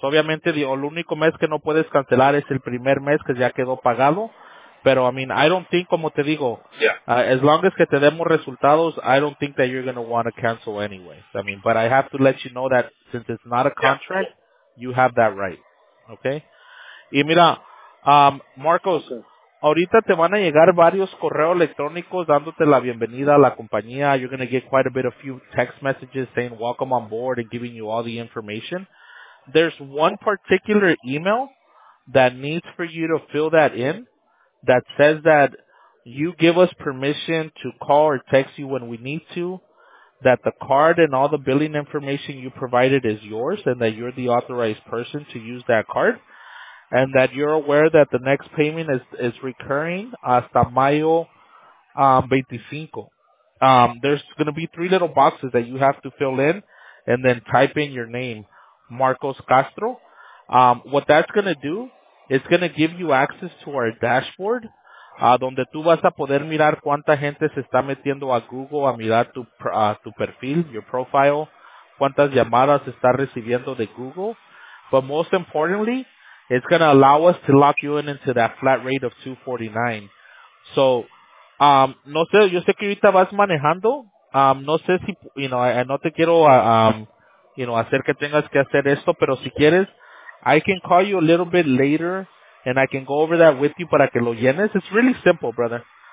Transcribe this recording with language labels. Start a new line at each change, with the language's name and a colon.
Spanish: Obviamente, el único mes que no puedes cancelar es el primer mes que ya quedó pagado.
English: Pero, I mean, I don't think,
Spanish: como te digo,
English: yeah. As long as
Spanish: que te demos resultados,
English: I don't think that you're going to want to cancel anyway. I mean, but I have to let you know that since it's not a contract, you have that right.
Spanish: Okay? Y mira, Marcos, okay. Ahorita te van a llegar varios correos electrónicos dándote la bienvenida a la compañía.
English: You're going to get quite a bit of few text messages saying welcome on board and giving you all the information. There's one particular email that needs for you to fill that in. That says that you give us permission to call or text you when we need to, that the card and all the billing information you provided is yours, and that you're the authorized person to use that card, and that you're aware that the next payment is recurring
Spanish: hasta mayo 25.
English: There's going to be three little boxes that you have to fill in and then type in your name, Marcos Castro. What that's going to do, it's going to give you access to our dashboard,
Spanish: donde tú vas a poder mirar cuánta gente se está metiendo a Google a mirar tu perfil,
English: your profile,
Spanish: cuántas llamadas está recibiendo de Google.
English: But most importantly, it's going to allow us to lock you in into that flat rate of $249.
Spanish: So, no sé, yo sé que ahorita vas manejando. No sé si,
English: you know, I
Spanish: no te quiero,
English: you know,
Spanish: hacer que tengas que hacer esto, pero si quieres,
English: I can call you a little bit later, and I can go over that with you
Spanish: para que lo llenes.
English: It's really simple, brother.